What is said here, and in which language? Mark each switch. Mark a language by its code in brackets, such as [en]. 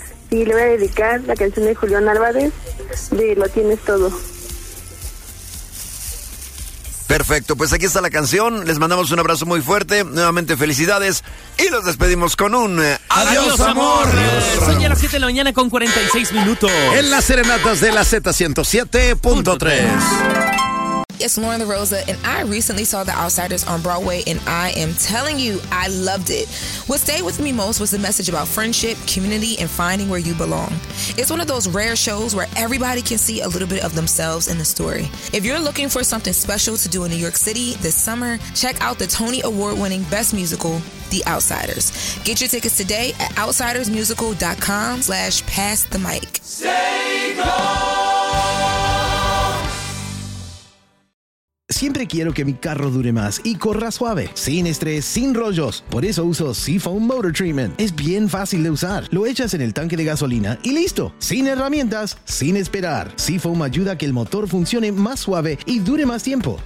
[es] Sí, le voy a dedicar la canción de Julián Álvarez, de Lo Tienes Todo. Perfecto, pues aquí está la canción. Les mandamos un abrazo muy fuerte. Nuevamente felicidades. Y los despedimos con un adiós, amor. Son ya las 7 de la mañana con 46 minutos. En las serenatas de la Z107.3. [en] It's Lauren LaRosa, and I recently saw The Outsiders on Broadway, and I am telling you, I loved it. What stayed with me most was the message about friendship, community, and finding where you belong. It's one of those rare shows where everybody can see a little bit of themselves in the story. If you're looking for something special to do in New York City this summer, check out the Tony Award-winning Best Musical, The Outsiders. Get your tickets today at outsidersmusical.com/passthemic. Say go! [es] Siempre quiero que mi carro dure más y corra suave, sin estrés, sin rollos. Por eso uso Seafoam Motor Treatment. Es bien fácil de usar. Lo echas en el tanque de gasolina y listo. Sin herramientas, sin esperar. Seafoam ayuda a que el motor funcione más suave y dure más tiempo.